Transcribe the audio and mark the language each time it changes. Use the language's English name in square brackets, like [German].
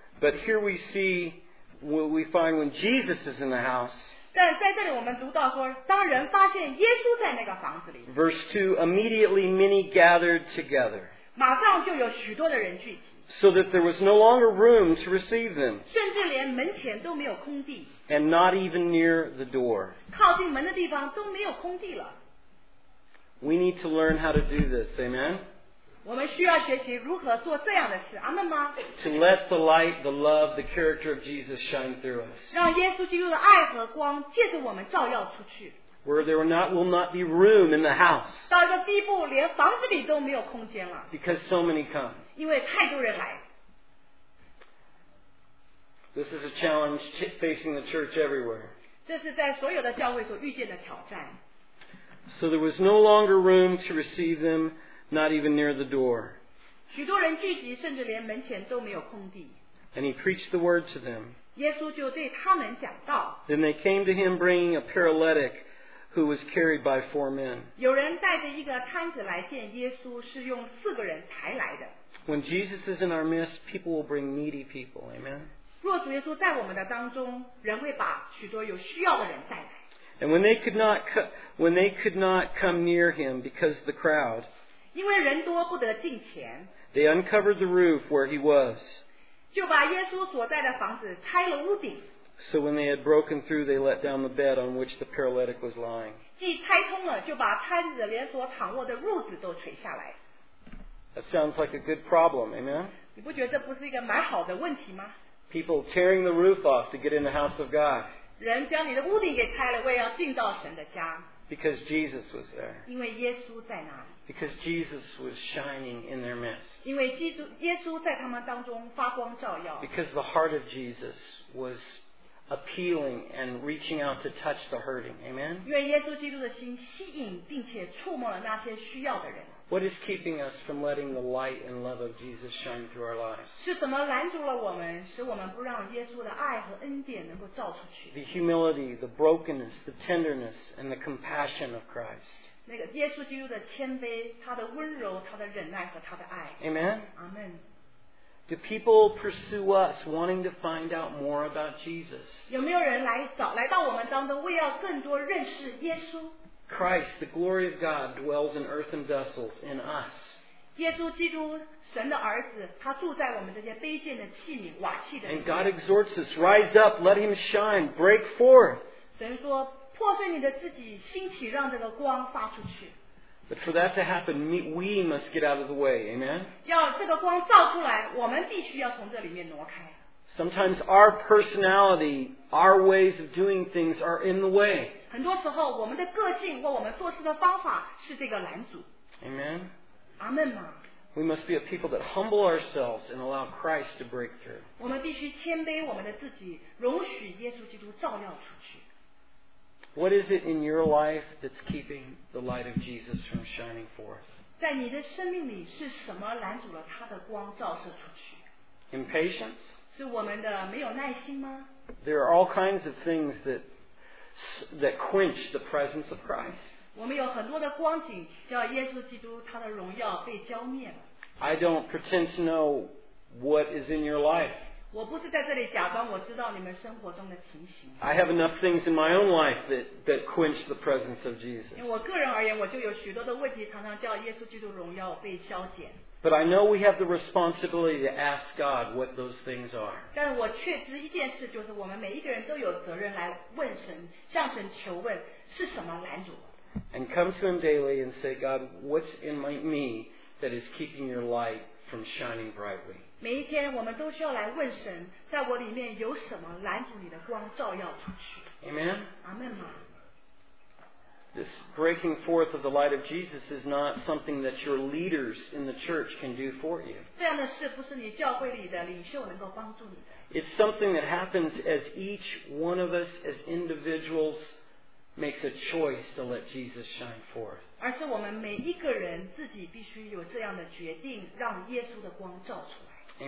[English] But here we see, what we find when Jesus is in the house, [Chinese] 但在这里我们读到说，当人发现耶稣在那个房子里。 [English] Verse 2, immediately many gathered together. [Chinese] 马上就有许多的人聚集。 [English] So that there was no longer room to receive them. [Chinese] 甚至连门前都没有空地。 [English] And not even near the door. [Chinese] 靠近门的地方都没有空地了。 [English] We need to learn how to do this, amen? [Chinese] 我们需要学习如何做这样的事，阿们吗？ [English] To let the light, the love, the character of Jesus shine through us. [Chinese] 让耶稣基督的爱和光借着我们照耀出去。 [English] Where there will not be room in the house. [Chinese] 到一个地步连房子里都没有空间了。 [English] Because so many come. [Chinese] 因为太多人来。 [English] This is a challenge facing the church everywhere. [Chinese] 这是在所有的教会所遇见的挑战。 [English] So there was no longer room to receive them. Not even near the door. [Chinese] 许多人聚集，甚至连门前都没有空地。 [English] And he preached the word to them. [Chinese] 耶稣就对他们讲道。 [English] Then they came to him bringing a paralytic who was carried by four men. [Chinese] 有人带着一个瘫子来见耶稣，是用四个人抬来的。 [English] When Jesus is in our midst, people will bring needy people. Amen. [Chinese] 若主耶稣在我们的当中，人会把许多有需要的人带来。 [English] And when they could not come near him because of the crowd, [Chinese] 因为人多不得近前。 [English] They uncovered the roof where he was. [Chinese] 就把耶稣所在的房子拆了屋顶。 [English] So when they had broken through, they let down the bed on which the paralytic was lying. [Chinese] 既拆通了，就把瘫子连所躺卧的褥子都垂下来。 [English] That sounds like a good problem, amen? [Chinese] 你不觉得这不是一个蛮好的问题吗？ [English] People tearing the roof off to get in the house of God. [Chinese] 人将你的屋顶给拆了，为要进到神的家。 [English] Because Jesus was there. [Chinese] 因为耶稣在那里。 [English] Because Jesus was shining in their midst. [Chinese] 因为耶稣在他们当中发光照耀。 [English] Because the heart of Jesus was appealing and reaching out to touch the hurting. Amen? [Chinese] 因为耶稣基督的心吸引并且触摸了那些需要的人。 [English] What is keeping us from letting the light and love of Jesus shine through our lives? [Chinese] 是什么拦住了我们，使我们不让耶稣的爱和恩典能够照出去？ [English] The humility, the brokenness, the tenderness, and the compassion of Christ. [Chinese] 那个耶稣基督的谦卑，他的温柔，他的忍耐和他的爱。 [English] Amen. Amen. Do people pursue us, wanting to find out more about Jesus? [Chinese] 有没有人来到我们当中，为要更多认识耶稣？ [English] Christ, the glory of God, dwells in earthen vessels in us. [Chinese] 耶稣基督，神的儿子，他住在我们这些卑贱的器皿、瓦器的。 [English] And God exhorts us, rise up, let him shine, break forth. [Chinese] 神说，破碎你的自己，兴起，让这个光发出去。 [English] But for that to happen, we must get out of the way. Amen. [Chinese] 要这个光照出来，我们必须要从这里面挪开。 [English] Sometimes our personality, our ways of doing things are in the way. [Chinese] 很多时候我们的个性或我们做事的方法是这个拦阻。 [English] Amen. [Chinese] 阿们吗？ [English] We must be a people that humble ourselves and allow Christ to break through. [Chinese] 我们必须谦卑我们的自己，容许耶稣基督照耀出去。 [English] What is it in your life that's keeping the light of Jesus from shining forth? [Chinese] 在你的生命里是什么拦阻了他的光照射出去？ [English] Impatience? [Chinese] 是我们的没有耐心吗？ [English] There are all kinds of things that quench the presence of Christ. [Chinese] 我们有很多的光景，叫耶稣基督他的荣耀被浇灭了。 [English] I don't pretend to know what is in your life. [Chinese] 我不是在这里假装我知道你们生活中的情形。 [English] I have enough things in my own life that quench the presence of Jesus. [Chinese] 因为我个人而言，我就有许多的问题，常常叫耶稣基督荣耀被消减。 [English] But I know we have the responsibility to ask God what those things are. [Chinese] 但我确知一件事，就是我们每一个人都有责任来问神，向神求问是什么拦阻。 [English] And come to Him daily and say, God, what's in me that is keeping Your light from shining brightly? [Chinese] 每一天我们都需要来问神，在我里面有什么拦阻你的光照耀出去。 [English] Amen. Amen. This breaking forth of the light of Jesus is not something that your leaders in the church can do for you. [Chinese] 这样的事不是你教会里的领袖能够帮助你的。 [English] It's something that happens as each one of us as individuals. Makes a choice to let Jesus shine forth. [Chinese] 而是我们每一个人自己必须有这样的决定，让耶稣的光照出来。